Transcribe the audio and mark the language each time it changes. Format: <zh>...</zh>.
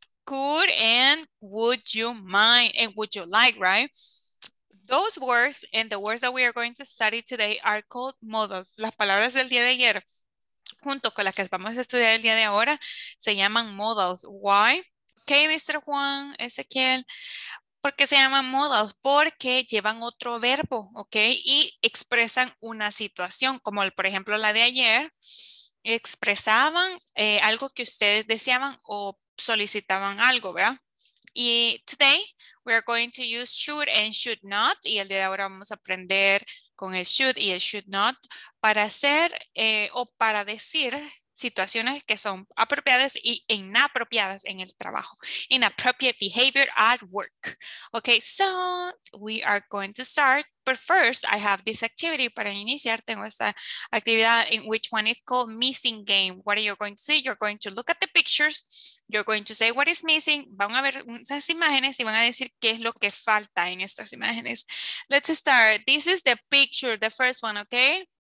<en>Could and would you mind and would you like, right? Those words and the words that we are going to study today are called modos.</en> <es>Las palabras del día de ayer, junto con las que vamos a estudiar el día de ahora, se llaman modos.</es> <en>Why? Okay,</en> <es>Mr. Juan, Ezequiel. ¿Por qué se llaman modos? Porque llevan otro verbo, ¿ok? Y expresan una situación, como el, por ejemplo la de ayer, expresaban algo que ustedes deseaban o solicitaban algo, ¿verdad? Y</es> <en>today, we are going to use should and should not,</en> <es>y el día de ahora vamos a aprender con el should y el should not, para hacer o para decir situaciones que son apropiadas y inapropiadas en el trabajo.</es> <en>Inappropriate behavior at work. Okay, so we are going to start. But first, I have this activity.</en> <es>Para iniciar, tengo esta actividad</es> <en>in which one is called missing game. What are you going to see? You're going to look at the pictures. You're going to say what is missing.</en> <es>Van a ver unas imágenes y van a decir qué es lo que falta en estas imágenes.</es> <en>Let's start. This is the picture, the first one, okay?</en>